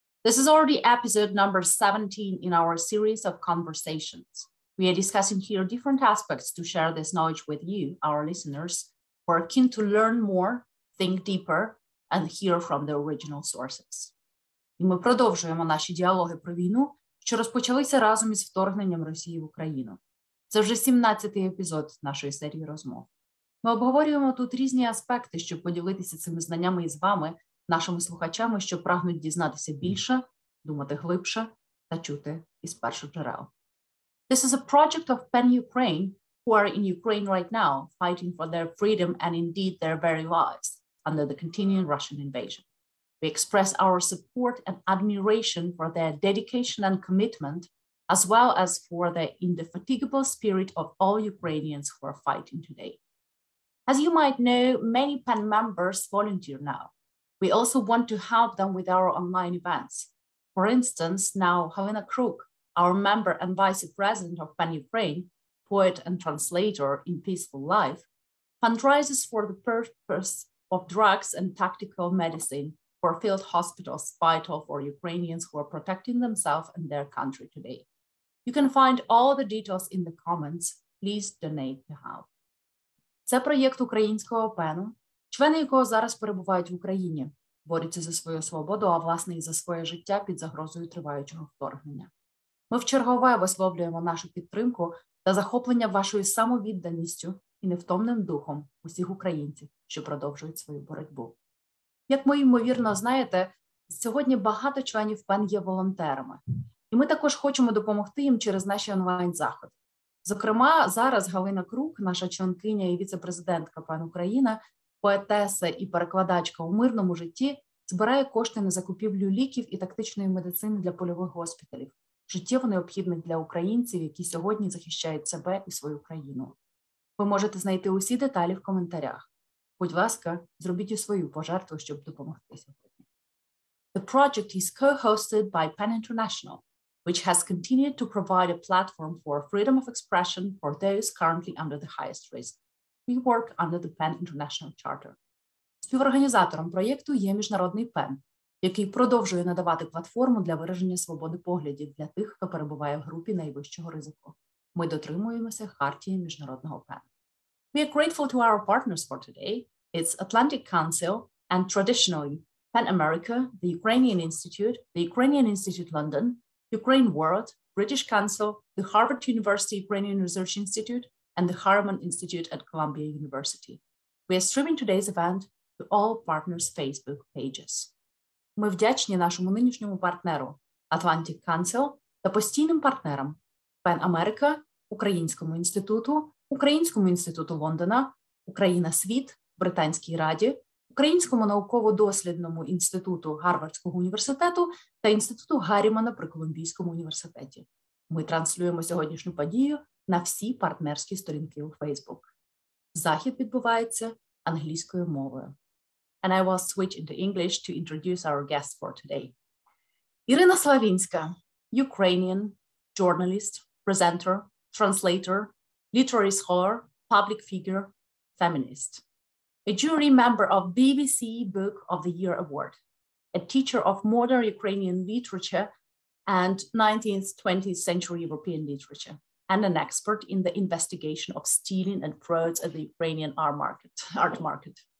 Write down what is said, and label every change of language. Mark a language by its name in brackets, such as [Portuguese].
[English] This is already episode number 17 in our series of conversations. We are discussing here different aspects to share this knowledge with you, our listeners, who are keen to learn more, think deeper, and hear from the original sources. [Ukrainian] І ми продовжуємо наші діалоги про війну, що розпочалися разом із вторгненням Росії в Україну. Це вже 17-й епізод нашої серії розмов. Ми обговорюємо тут різні аспекти, щоб поділитися цими знаннями із вами, нашими слухачами, що прагнуть дізнатися більше, думати глибше та чути із перших джерел. [English] This is a project of PEN Ukraine, who are in Ukraine right now, fighting for their freedom and indeed their very lives under the continuing Russian invasion. We express our support and admiration for their dedication and commitment, as well as for the indefatigable spirit of all Ukrainians who are fighting today. As you might know, many PEN members volunteer now. We also want to help them with our online events. For instance, now Helena Krook, our member and vice president of PEN Ukraine, poet and translator in Peaceful Life, fundraises for the purpose of drugs and tactical medicine for field hospitals vital for Ukrainians who are protecting themselves and their country today. You can find all the details in the comments. Please donate to help. [Ukrainian] Це проєкт українського пену, члени якого зараз перебувають в Україні, борються за свою свободу, а власне і за своє життя під загрозою триваючого вторгнення. Ми вчергове висловлюємо нашу підтримку та захоплення вашою самовідданістю і невтомним духом усіх українців, що продовжують свою боротьбу. Як ви, ймовірно, знаєте, сьогодні багато членів ПЕН є волонтерами. І ми також хочемо допомогти їм через наші онлайн-заходи. Зокрема, зараз Галина Крук, наша членкиня і віце-президентка ПЕН Україна, поетеса і перекладачка у мирному житті, збирає кошти на закупівлю ліків і тактичної медицини для польових госпіталів, життєво необхідних для українців, які сьогодні захищають себе і свою країну. Ви можете знайти усі деталі в коментарях. Будь ласка, зробіть і свою пожертву, щоб допомогти сьогодні. [English] The project is co-hosted by PEN International, which has continued to provide a platform for freedom of expression for those currently under the highest risk. We work under the PEN International Charter. [Ukrainian] Співорганізатором проєкту є Міжнародний ПЕН, який продовжує надавати платформу для вираження свободи поглядів для тих, хто перебуває в групі найвищого ризику. Ми дотримуємося хартії Міжнародного ПЕН. [English] We are grateful to our partners for today. It's Atlantic Council and traditionally PEN America, the Ukrainian Institute, the Ukrainian Institute London, Ukraine World, British Council, the Harvard University Ukrainian Research Institute, and the Harriman Institute at Columbia University. We are streaming today's event to all partners' Facebook pages. [Ukrainian] Ми вдячні нашому нинішньому партнеру Atlantic Council та постійним партнерам PEN America, Українському інституту, Українському інституту Лондона, Україна Світ, Британській Раді, Українському науково-дослідному інституту Гарвардського університету та інституту Гаррімана при Колумбійському університеті. Ми транслюємо сьогоднішню подію на всі партнерські сторінки у Facebook. Захід відбувається англійською мовою. [English] And I will switch into English to introduce our guest for today. Iryna Slavinska, Ukrainian journalist, presenter, translator, literary scholar, public figure, feminist, a jury member of BBC Book of the Year Award, a teacher of modern Ukrainian literature and 19th, 20th century European literature, and an expert in the investigation of stealing and frauds at the Ukrainian art market.